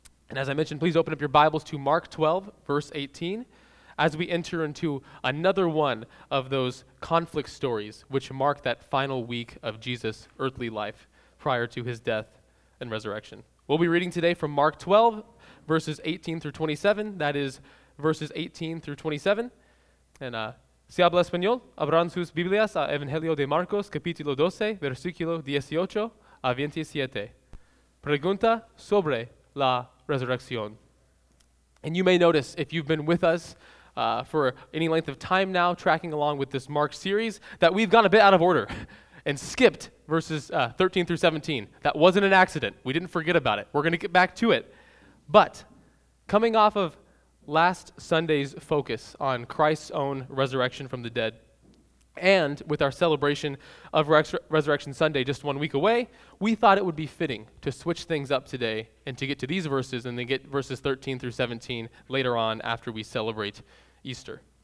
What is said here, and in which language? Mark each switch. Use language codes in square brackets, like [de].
[en] And as I mentioned, please open up your Bibles to Mark 12, verse 18, as we enter into another one of those conflict stories which mark that final week of Jesus' earthly life prior to his death and resurrection. We'll be reading today from Mark 12, verses 18 through 27. That is verses 18 through 27. [es] And si habla español, abran sus Biblias a Evangelio de Marcos, capítulo 12, versículo 18 a 27. Pregunta sobre la resurrección. [en] And you may notice, if you've been with us for any length of time now, tracking along with this Mark series, that we've gone a bit out of order and skipped verses 13 through 17. That wasn't an accident. We didn't forget about it. We're going to get back to it. But coming off of last Sunday's focus on Christ's own resurrection from the dead, and with our celebration of Resurrection Sunday just 1 week away, we thought it would be fitting to switch things up today and to get to these verses and then get verses 13 through 17 later on after we celebrate Easter.